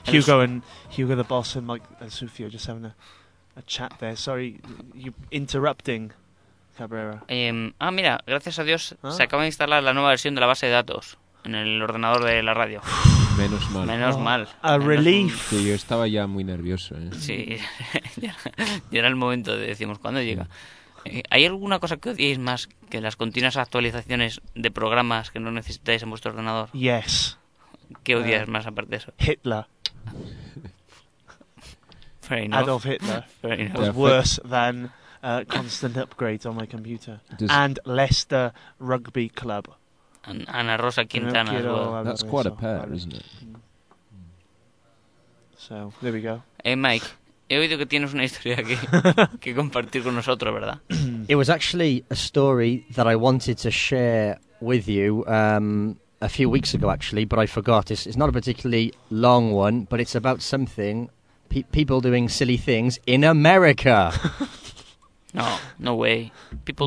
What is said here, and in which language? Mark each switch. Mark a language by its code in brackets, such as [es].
[en] Hugo and Hugo the boss and Mike and Sufi are just having a chat there. Sorry, you interrupting Cabrera. [es] Mira, gracias a Dios se acaba de instalar la nueva versión de la base de datos en el ordenador de la radio. Menos mal. Menos mal. [en] A relief. [es] Sí, yo estaba ya muy nervioso, ¿eh? Sí, ya era el momento de decimos cuándo llega. ¿Hay alguna cosa que odiéis más que las continuas actualizaciones de programas que no necesitáis en vuestro ordenador? [en] Yes. [es] ¿Qué odias más aparte de eso? [en] Hitler. Fair enough. Adolf Hitler. Fair enough. Was worse than constant upgrades on my computer. And Leicester Rugby Club. Ana Rosa Quintana. That's quite a pair, isn't it? So, there we go. [es] Hey, Mike, he oído que tienes una historia aquí que compartir con nosotros, ¿verdad? [en] It was actually a story that I wanted to share with you a few weeks ago, actually, but I forgot. It's not a particularly long one, but it's about something, people doing silly things in America. No way. People